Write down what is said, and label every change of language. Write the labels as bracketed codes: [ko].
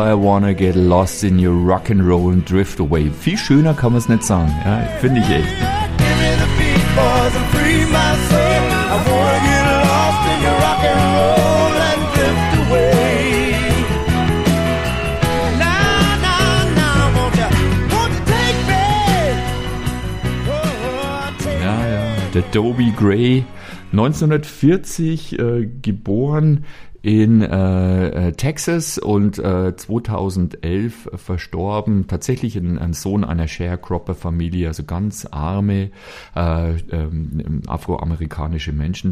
[en] I wanna get lost in your rock and roll and drift away. [de] Viel schöner kann man es nicht sagen, ja, finde ich echt. [en] Give me the beat, boys, and free my soul. I wanna get lost in your rock and roll and drift away. Now, now, now, won't you take me? Oh, take me. [de] Ja, ja, der Dobie Gray, 1940 geboren in Texas und 2011 verstorben, tatsächlich ein Sohn einer Sharecropper-Familie, also ganz arme afroamerikanische Menschen.